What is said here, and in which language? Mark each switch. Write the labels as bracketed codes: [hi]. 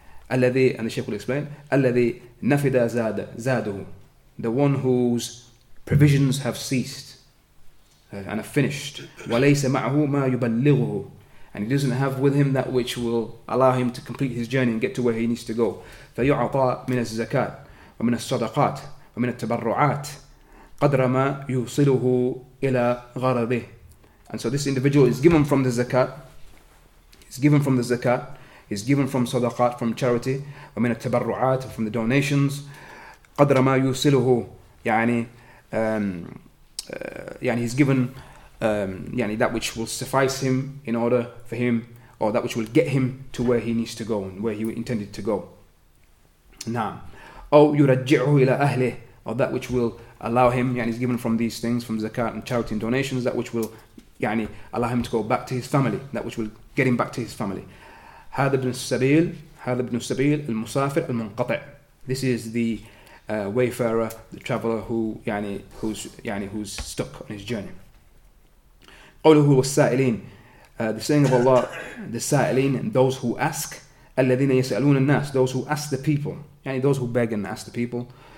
[en] الذي, and the Shaykh will explain, [ar] الذي نفد زاده, [en] the one whose provisions have ceased and are finished. [ar] وليس معه ما يبلغه, [en] and he doesn't have with him that which will allow him to complete his journey and get to where he needs to go. [ar] فيعطى من الزكاة ومن الصدقات ومن التبرعات قدر ما يوصله إلى غرضه. [en] And so this individual is given from the zakat, is given from sadaqat, from charity, [ar] ومن التبرعات, [en] from the donations, [ar] قدر ما يوصله, [en] he's given that which will suffice him in order for him, or that which will get him to where he needs to go and where he intended to go. [ar] نعم. أو يرجعه إلى أهله, [en] or that which will allow him, he's given from these things, from zakat and charity and donations, that which will allow him to go back to his family, that which will get him back to his family. [ar] هذا ابن السبيل, المسافر المنقطع. [en] This is the wayfarer, the traveler who who's stuck on his journey. [ar] قوله والسائلين, [en] the saying of Allah, the سائلين, and those who ask. [ar] الذين يسألون الناس, [en] those who ask the people, those who beg and ask the people.